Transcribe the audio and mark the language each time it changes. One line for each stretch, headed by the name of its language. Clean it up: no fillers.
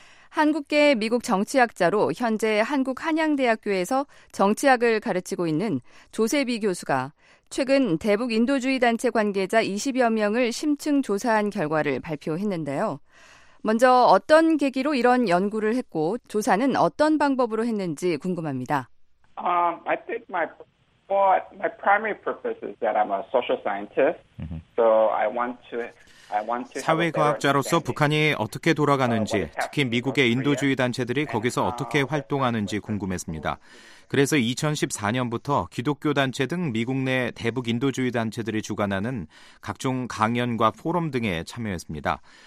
Korean: 한국계 미국 정치학자로 현재 한국 한양대학교에서 정치학을 가르치고 있는 조세비 교수가 최근 대북 인도주의 단체 관계자 20여 명을 심층 조사한 결과를 발표했는데요. 먼저 어떤 계기로 이런 연구를 했고 조사는 어떤 방법으로 했는지 궁금합니다.
English: I think my But my primary purpose is that I'm a social scientist. So I want to
Korean: 사회 과학자로서 북한이 어떻게 돌아가는지, 특히 미국의 인도주의 단체들이 거기서 어떻게 활동하는지 궁금했습니다. 그래서 2014년부터 기독교 단체 등 미국 내 대북 인도주의 단체들이 주관하는 각종 강연과 포럼 등에 참여했습니다.